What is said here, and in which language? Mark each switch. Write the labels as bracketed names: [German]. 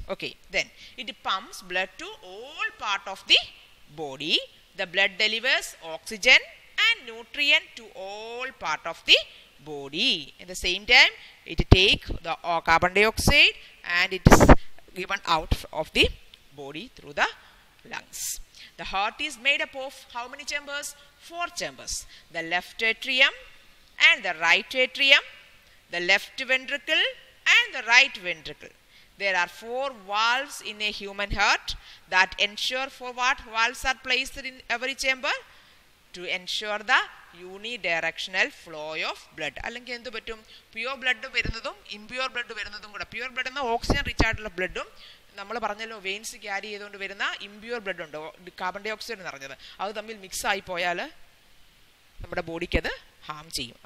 [English] Okay, then it pumps blood to all part of the body. The blood delivers oxygen and nutrient to all part of the body. At the same time it take the carbon dioxide and it is given out of the body through the lungs. The heart is made up of how many chambers? Four chambers. The left atrium and the right atrium, the left ventricle and the right ventricle. There are four valves in a human heart that ensure for what valves are placed in every chamber? To ensure the unidirectional flow of blood. [Malayalam] അല്ലെങ്കിൽ എന്ത് പറ്റും? Pure blood വരുന്നതും impure blood വരുന്നതും കൂടെ, pure blood എന്ന oxygen rich ആയിട്ടുള്ള ബ്ലഡും നമ്മൾ പറഞ്ഞല്ലോ വെയിൻസ് ക്യാരി ചെയ്തുകൊണ്ട് വരുന്ന ഇംപ്യുവർ ബ്ലഡ് ഉണ്ട് കാർബൺ ഡയോക്സൈഡ് നിറഞ്ഞത്, അത് തമ്മിൽ മിക്സായി പോയാൽ നമ്മുടെ ബോഡിക്ക് അത് ഹാം ചെയ്യും.